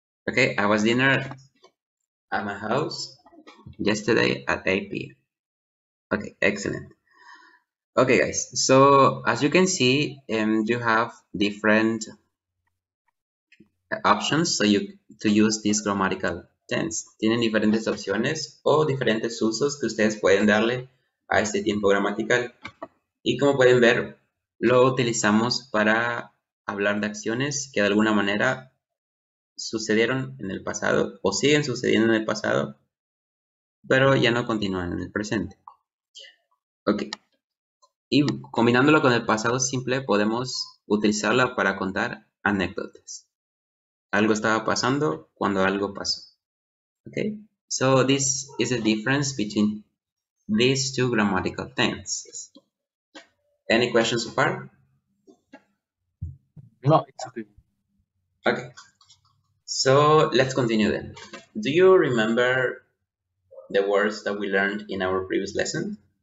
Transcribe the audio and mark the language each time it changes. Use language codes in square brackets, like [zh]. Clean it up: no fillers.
[en] Okay, I was dinner at my house yesterday at 8 p.m. Okay, excellent. Okay, guys, so as you can see, you have different options to use this grammatical tense. [es] Tienen diferentes opciones o diferentes usos que ustedes pueden darle a este tiempo gramatical. Y como pueden ver, lo utilizamos para hablar de acciones que de alguna manera sucedieron en el pasado o siguen sucediendo en el pasado, pero ya no continúan en el presente. Ok. Y combinándolo con el pasado simple, podemos utilizarla para contar anécdotas. Algo estaba pasando cuando algo pasó. [en] Okay, so this is the difference between these two grammatical tenses. Any questions so far? No, it's okay. Okay, so let's continue then. Do you remember the words that we learned in our previous lesson?